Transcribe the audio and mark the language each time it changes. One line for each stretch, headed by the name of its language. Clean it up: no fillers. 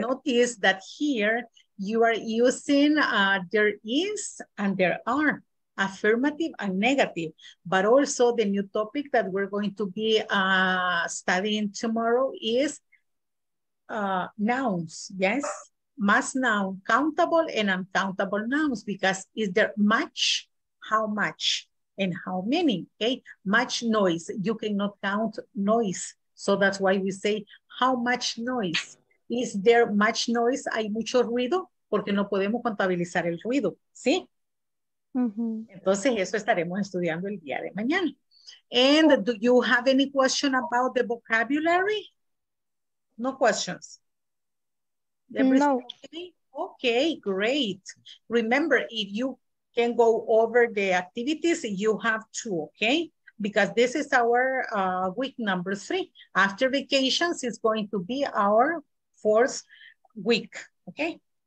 English: Notice that here you are using there is and there are, affirmative and negative, but also the new topic that we're going to be studying tomorrow is nouns, yes? Mass noun, countable and uncountable nouns, because is there much, how much, and how many, okay? Much noise, you cannot count noise. So that's why we say, how much noise? Is there much noise?
Spanish: Hay mucho ruido, porque no podemos contabilizar el ruido, ¿sí? Mm-hmm. Entonces eso estaremos estudiando el día de mañana.
English: And do you have any question about the vocabulary? No questions. No. Okay, great. Remember, if you can go over the activities, you have to, okay? Because this is our week number three. After vacations is going to be our fourth week, okay?